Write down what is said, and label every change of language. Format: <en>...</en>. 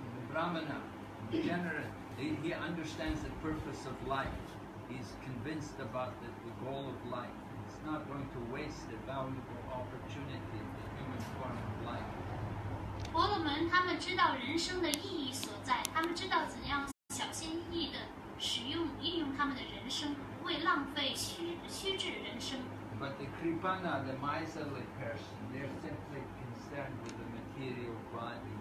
<en>Brahmana, generally, he understands the purpose of life. He's convinced about the goal of life. He's not going to waste the valuable opportunity of the human form of life.</en> <zh>婆罗门他们知道人生的意义所在，他们知道怎样小心翼翼地使用一用他们的人生，不会浪费虚掷人生。</zh> <en>But the kripana, the miserly person, they're simply concerned with the material body.</en>